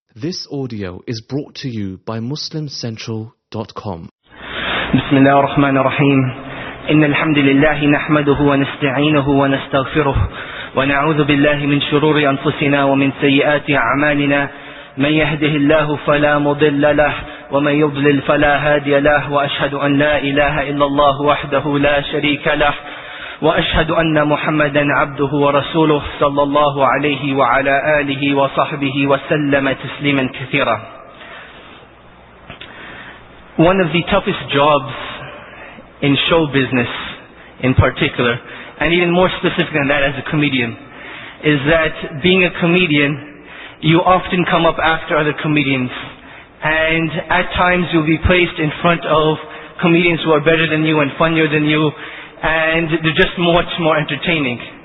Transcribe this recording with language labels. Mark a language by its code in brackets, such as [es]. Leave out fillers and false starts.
[en] This audio is brought to you by MuslimCentral.com. [ar] بسم الله الرحمن الرحيم. إن الحمد لله نحمده ونستعينه ونستغفره ونعوذ بالله من شرور أنفسنا ومن سيئات أعمالنا. من يهده الله فلا مضل له ومن يضلل فلا هادي له وأشهد أن لا إله إلا الله وحده لا شريك له وأشهد أن محمدا عبده ورسوله صلى الله عليه وعلى آله وصحبه وسلم تسليما كثيرا. [en] One of the toughest jobs in show business in particular, and even more specific than that as a comedian, is that being a comedian, you often come up after other comedians, and at times you'll be placed in front of comedians who are better than you and funnier than you, and they're just much more entertaining.